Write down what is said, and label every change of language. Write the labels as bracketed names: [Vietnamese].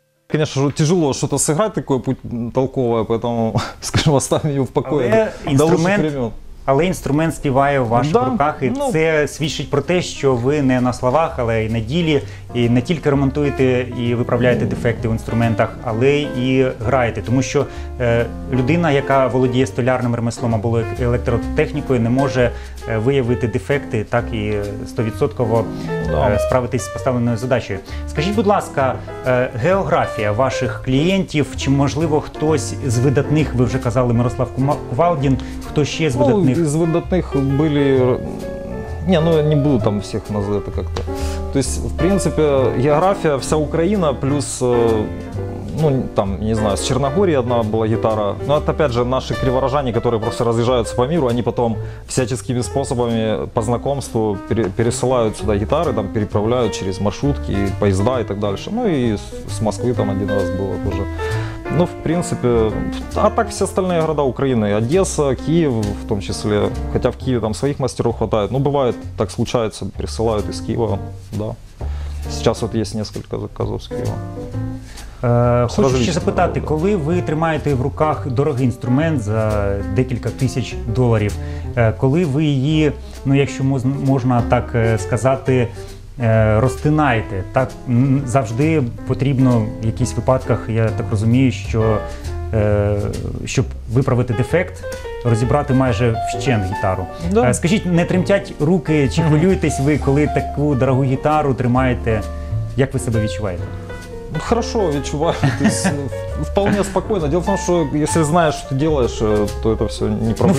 [Russian] Конечно же, тяжело что-то сыграть такое путь толковое, поэтому, скажем, оставим ее в покое. [Ukrainian] Але інструмент співає у ваших руках, і це свідчить про те, що ви не на словах, але й на ділі, і не тільки ремонтуєте і виправляєте дефекти в інструментах, але й граєте. Тому що людина, яка володіє столярним ремеслом або електротехнікою, не може виявити дефекти, так і 100% справитись з поставленою задачею. Скажіть, будь ласка, географія ваших клієнтів, чи можливо хтось з видатних, ви вже казали, Мирослав Кувалдін, хто ще з видатних? [Russian] Из выдатных были, не, ну я не буду там всех назвать это как-то. То есть, в принципе, география вся Украина плюс, ну там, не знаю, с Черногории одна была гитара. Но это опять же наши криворожане, которые просто разъезжаются по миру, они потом всяческими способами по знакомству пересылают сюда гитары, там переправляют через маршрутки, поезда и так дальше. Ну и с Москвы там один раз было тоже. Ну, в принципе, а так все остальные города Украины, Одесса, Киев в том числе, хотя в Киеве там своих мастеров хватает, но бывает, так случается, присылают из Киева, да. Сейчас вот есть несколько заказов с Киева. [Ukrainian] Хочу ще запитати, коли ви тримаєте в руках дорогий інструмент за декілька тисяч доларів, коли ви її, ну, якщо можна так сказати, розтинаєте, так завжди потрібно в якихось випадках, я так розумію, що щоб виправити дефект, розібрати майже вщент гітару. Да. Скажіть, не тремтять руки чи хвилюєтесь ви, коли таку дорогу гітару тримаєте? Як ви себе відчуваєте? [Russian] Хорошо відчуваю, то есть, вполне спокойно. Дело в том, что если знаешь, что ты делаешь, то это все не проблема.